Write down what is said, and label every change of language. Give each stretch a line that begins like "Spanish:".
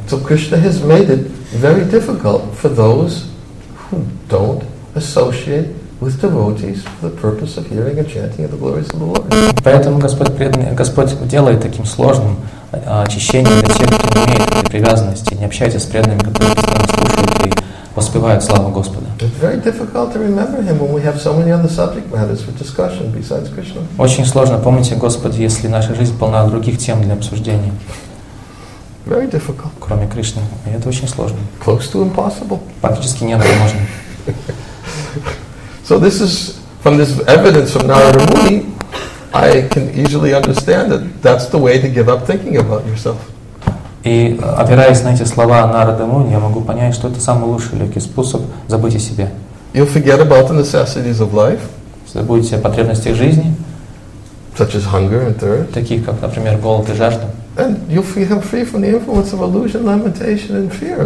English: So Krishna has made it very difficult for those who don't associate with devotees for the purpose of hearing and chanting of the glories of the Lord.
Russian: Поэтому Господь делает таким сложным очищение для тех, кто не имеет этой привязанности, не общается с преданными, которые постоянно слушают и воспевают славу Господа.
English: It's very difficult to remember him when we have so many other subject matters for discussion besides Krishna.
Russian: Очень сложно помнить о Господе, если наша жизнь полна других тем для обсуждения.
English: Very difficult.
Russian: Кроме Кришны. И это очень сложно.
English: Close to impossible.
Russian: Практически невозможно.
English: So this is from this evidence from Narada Muni, I can easily understand that that's the way to give up thinking about yourself.
Russian: И опираясь на эти слова Нарада Муни, я могу понять, что это самый лучший легкий способ забыть о себе.
English: You'll forget about the necessities of life.
Russian: Забудете о потребностях жизни.
English: Such as hunger and thirst.
Russian: Таких как, например, голод и жажда.
English: And you'll become free from the influence of illusion, limitation, and fear.